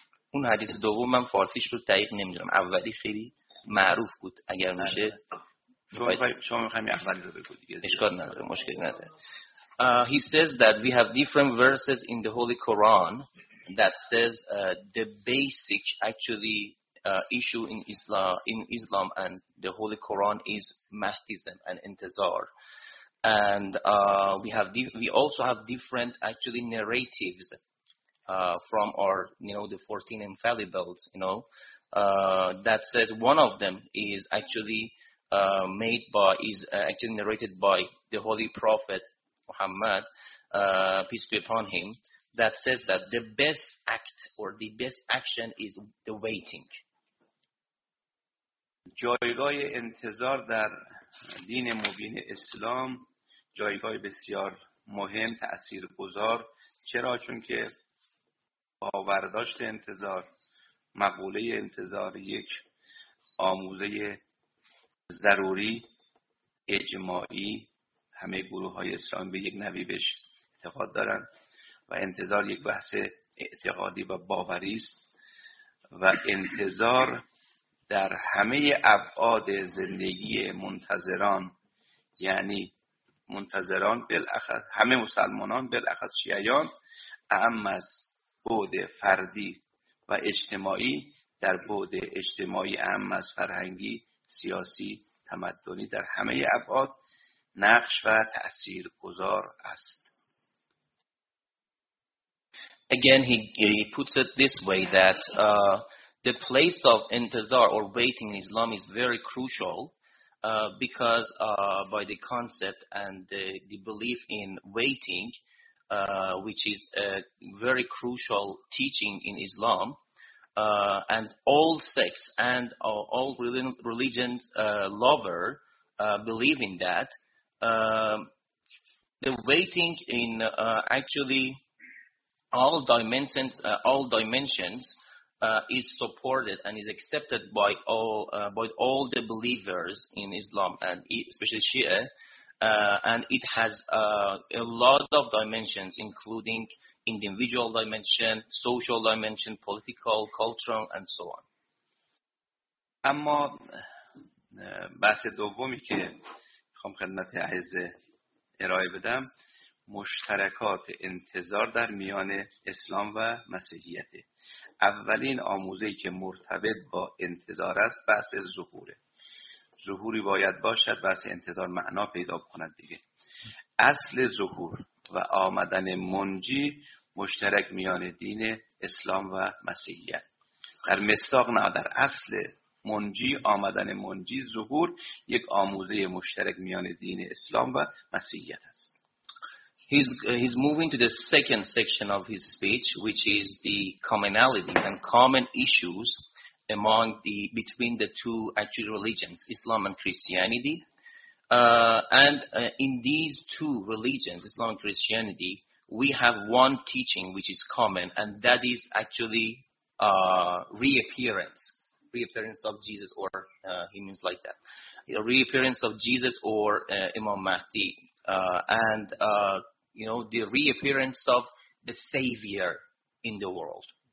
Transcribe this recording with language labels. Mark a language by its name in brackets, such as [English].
[Persian] اون حدیث دوم من فارسیش رو دقیق نمیدونم، اولی خیلی معروف بود. اگر میشه شما میخوایم اولی رو بگو دیگه، اشکال نداره، مشکلی نداره. [English] He says that we have different verses in the Holy Quran that says the basic actually issue in Islam and the Holy Quran is mahdism and intizar. And we also have different actually narratives from our, you know, the 14 infallibles, you know, that says one of them is actually actually narrated by the Holy Prophet Muhammad, peace be upon him, that says that the best act or the best action is the waiting. [Persian] جایگاه انتظار در دین مبین اسلام جایگاه بسیار مهم، تأثیرگذار. چرا؟ چون که باورداشت انتظار، مقوله انتظار یک آموزه ضروری اجماعی، همه گروه های اسلام به یک نوی بهش اعتقاد دارن و انتظار یک بحث اعتقادی و باوری است و انتظار در همه ابعاد زندگی منتظران، یعنی منتظران بالاخص همه مسلمانان بالاخص شیعیان، اعم از بعد فردی و اجتماعی، در بعد اجتماعی اعم از فرهنگی، سیاسی، تمدنی، در همه ابعاد نقش و تأثیر گذار است. [English] Again he puts it this way that the place of intizar or waiting in Islam is very crucial because by the concept and the belief in waiting, which is a very crucial teaching in Islam, and all sects and all religions lover believe in that. The waiting in actually all dimensions is supported and is accepted by all the believers in Islam, and especially Shia. And it has a lot of dimensions, including individual dimension, social dimension, political, cultural, and so on. [Persian] اما بحث دومی که خواهم خدمت عزیزه ارائه بدم، مشترکات انتظار در میان اسلام و مسیحیت. اولین آموزه‌ای که مرتبط با انتظار است بحث ظهوره. ظهوری باید باشد و از انتظار معنا پیدا کند دیگه. اصل ظهور و آمدن منجی مشترک میان دین اسلام و مسیحیت. در مصداق نه، در اصل منجی، آمدن منجی، ظهور یک آموزه مشترک میان دین اسلام و مسیحیت است. [English] He's moving to the second section of his speech, which is the commonalities and common issues among the between the two actual religions, Islam and Christianity. And in these two religions, Islam and Christianity, we have one teaching which is common, and that is actually reappearance of Jesus, or he means like that, a reappearance of Jesus or Imam Mahdi, and the reappearance of the Savior in the world.